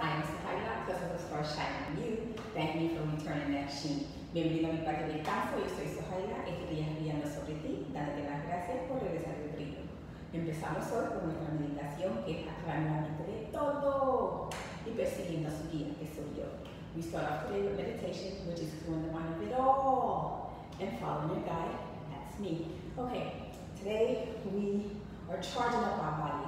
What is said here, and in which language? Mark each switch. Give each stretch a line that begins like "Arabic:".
English: I am Sahaya, because of the star shining on you. Thank you for returning that sheen.
Spanish: Bienvenido a mi parte del campo. Yo soy Sahaya. Este día enviando sobre ti, dándote las gracias por regresar el brillo. Empezamos hoy con nuestra meditación, que es aclarar la mente de todo y persiguiendo su guía, que soy yo.
English: We start off today with meditation, which is clearing the mind of it all. And following your guide, that's me. Okay, today we are charging up our body.